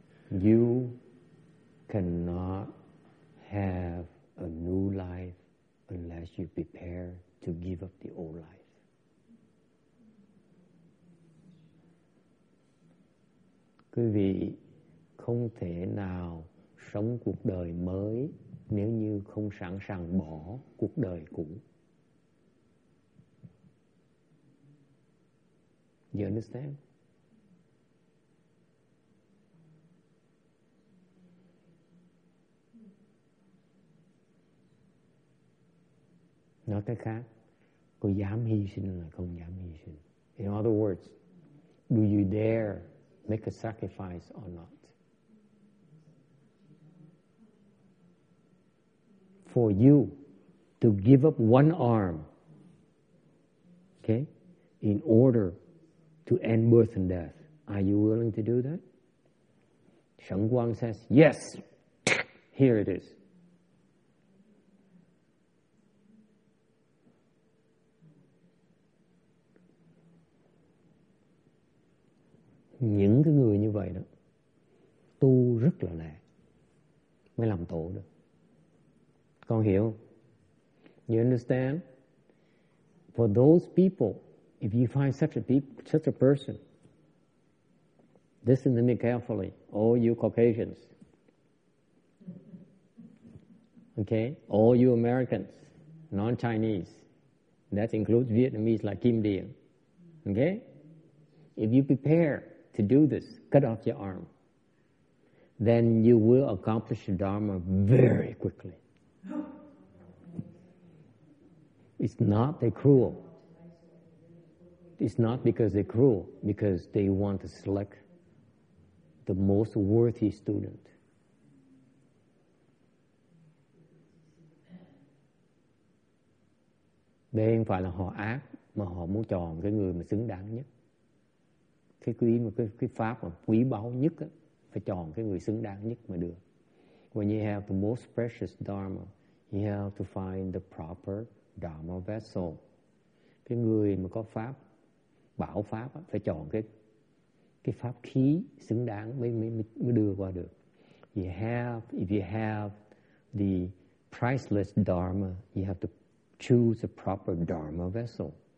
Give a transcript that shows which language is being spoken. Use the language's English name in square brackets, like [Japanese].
[English] You cannot have a new life unless you prepare to give up the old life. [Vietnamese] Quý vị không thể nào sống cuộc đời mới nếu như không sẵn sàng bỏ cuộc đời cũ. [English] You understand? [Vietnamese] Nói cách khác, có dám hy sinh là không dám hy sinh. [English] In other words, do you dare make a sacrifice or not? For you to give up one arm, okay, in order to end birth and death, are you willing to do that? Sheng Guang says, yes, here it is. [Vietnamese] Những cái người như vậy đó tu rất là lẹ mới làm tổ được. Con hiểu không? [English] You understand? For those people, if you find such a people, such a person, listen to me carefully, all you Caucasians, okay, all you Americans, non-Chinese, that includes Vietnamese like Kim Dien, okay, if you prepare to do this, cut off your arm, then you will accomplish the Dharma very quickly. It's not they're cruel. It's not because they're cruel, because they want to select the most worthy student. [Vietnamese] Đây không phải là họ ác, mà họ muốn chọn cái người mà xứng đáng nhất. Cái quý mà cái pháp mà quý báu nhất á, phải chọn cái người xứng đáng nhất mà được. [English] When you have the most precious dharma, you have to find the proper dharma vessel. [Vietnamese] Cái người mà có pháp bảo pháp á, phải chọn cái pháp khí xứng đáng mới đưa qua được. [English] If you have the priceless dharma, you have to choose the proper dharma vessel.